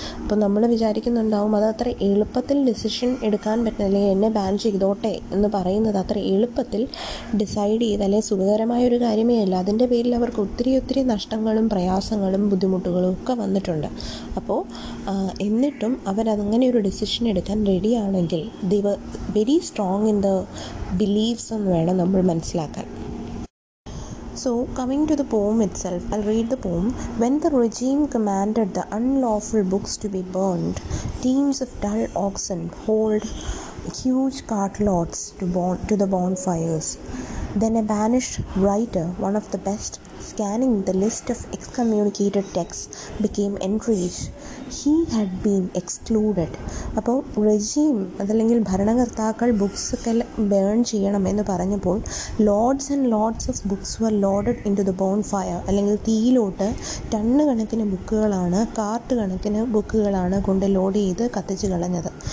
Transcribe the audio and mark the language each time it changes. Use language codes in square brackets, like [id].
[ml] അപ്പോൾ നമ്മൾ വിചാരിക്കുന്നുണ്ടാവും അത് അത്ര എളുപ്പത്തിൽ ഡിസിഷൻ എടുക്കാൻ പറ്റുന്ന, അല്ലെങ്കിൽ എന്നെ ബാൻ ചെയ്തോട്ടെ എന്ന് പറയുന്നത് അത്ര എളുപ്പത്തിൽ ഡിസൈഡ് ചെയ്ത് അല്ലെങ്കിൽ സുഖകരമായ ഒരു കാര്യമേ അല്ല. അതിൻ്റെ പേരിൽ അവർക്ക് ഒത്തിരി ഒത്തിരി നഷ്ടങ്ങളും പ്രയാസങ്ങളും ബുദ്ധിമുട്ടുകളും ഒക്കെ വന്നിട്ടുണ്ട്. അപ്പോൾ എന്നിട്ടും അവരതങ്ങനെ ഒരു ഡിസിഷൻ എടുക്കാൻ റെഡി ആണെങ്കിൽ ദൈവ [en] very strong in the believes [ml] എന്ന് വേണം നമ്മൾ മനസ്സിലാക്കാൻ. [en] So, coming to the poem itself, I'll read the poem. When the regime commanded the unlawful books to be burned, teams of dull oxen hauled huge cartloads to the bonfires. Then a banished writer, one of the best, scanning the list of excommunicated texts, became enraged. He had been excluded. [ml] അപ്പോൾ regime അതല്ലെങ്കിൽ ഭരണകർത്താക്കൾ ബുക്സൊക്കെ burn ചെയ്യണം എന്ന് പറഞ്ഞപ്പോൾ [en] Loads and loads of books were loaded into the bonfire. [ml] അല്ലെങ്കിൽ തീയിലോട്ട് ton കണക്കിന് ബുക്കുകളാണ്, cart കണക്കിന് ബുക്കുകളാണ് കൊണ്ട് ലോഡ് ചെയ്ത് കത്തിച്ച് കളഞ്ഞത്.